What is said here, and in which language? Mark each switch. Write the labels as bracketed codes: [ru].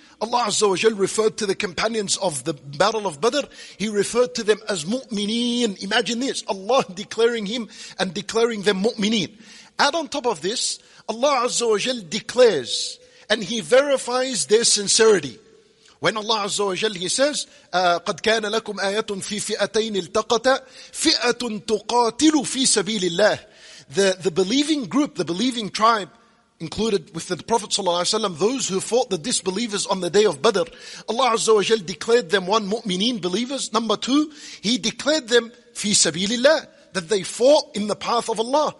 [en] Allah Azza wa Jal referred to the companions of the Battle of Badr. He referred to them as mu'mineen. Imagine this. Allah declaring him and declaring them mu'mineen. Add on top of this, Allah Azza wa Jal declares and he verifies their sincerity. When Allah Azza wa Jal, he says, [ar] قَدْ كَانَ لَكُمْ آيَةٌ فِي فِئَتَيْنِ الْتَقَتَ فِئَةٌ تُقَاتِلُ فِي سَبِيلِ اللَّهِ. [en] The believing group, the believing tribe, included with the Prophet ﷺ, those who fought the disbelievers on the day of Badr, Allah Azza wa Jal declared them, one, mu'mineen, believers. Number two, he declared them, fi sabilillah, that they fought in the path of Allah.